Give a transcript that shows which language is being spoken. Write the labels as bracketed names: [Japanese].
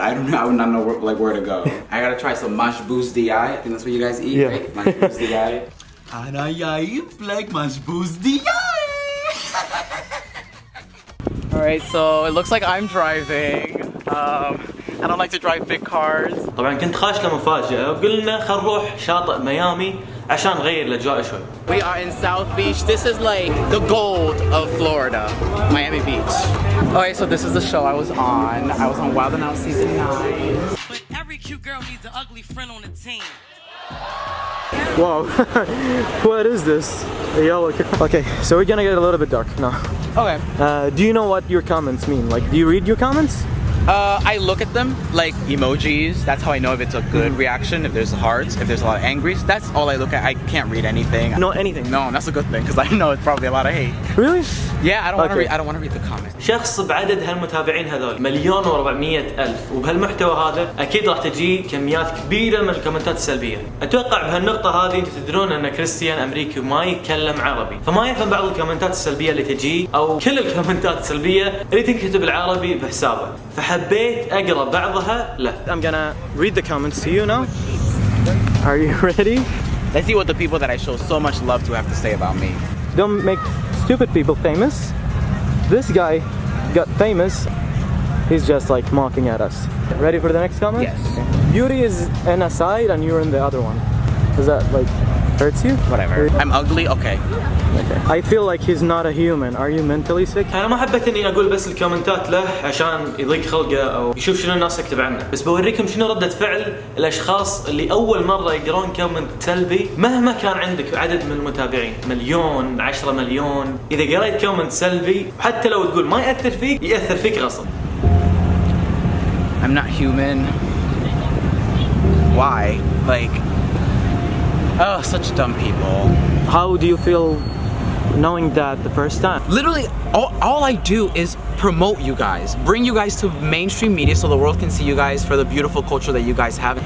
[English] I don't know. I would not know where to go. I gotta try some mashbouz di. I think that's what you guys eat, right? Mashbouz di. Alright, so it looks like I'm driving. I don't like to drive big cars. [Arabic] طبعا كنت خاش لمفاجأة وقلنا خل نروح شاطئ ميامي عشان نغير الأجواء شوي. [English] We are in South Beach. This is like the gold of Florida, Miami Beach. Alright, so this is the show I was on. I was on Wild 'N Out season 9. But every cute girl needs an ugly friend on the team. Wow, what is this? A yellow car. Okay, so we're gonna get a little bit dark now. Okay. Do you know what your comments mean? Like, do you read your comments? I look at them, like emojis. That's how I know if it's a good reaction, if there's hearts, if there's a lot of angries. That's all I look at. I can't read anything. Not anything. No, that's a good thing because I know it's probably a lot of hate. Really? Yeah, I don't want to read the comments. [Arabic] شخص بعدد هالمتابعين هذول 1,400,000 وبهالمحتوى هذا اكيد راح تجي كميات كبيرة من الكومنتات السلبية. اتوقع بهالنقطة هذه انتم تدرون ان كريستيان امريكي ما يتكلم عربي. فما يفهم بعض الكومنتات السلبية اللي تجي او كل الكومنتات السلبية اللي تكتب بالعربي بحسابه. فحبيت اقرا بعضها له. [English] I'm gonna read the comments to you now. Are you ready? Let's see what the people that I show so much love to have to say about me. Don't make stupid people famous. This guy got famous. He's just like mocking at us. Ready for the next comment? Yes. Beauty is an aside and you're in the other one. Does that like hurts you? Whatever. I'm ugly? Okay. I feel like he's not a human. Are you mentally sick? [Arabic] أنا ما حبيت إني أقول بس الكومنتات له عشان يضيق خلقه أو يشوف شنو الناس تكتب عنه. بس بوريكم شنو ردة فعل الأشخاص اللي أول مرة يقرون كومنت سلبي مهما كان عندك عدد من المتابعين 1,000,000, 10,000,000 إذا قريت كومنت سلبي حتى لو تقول ما يأثر فيك يأثر فيك غصب. [English] I'm not human. Why? Like, oh, such dumb people. How do you feel knowing that the first time? Literally, all I do is promote you guys, bring you guys to mainstream media so the world can see you guys for the beautiful culture that you guys have.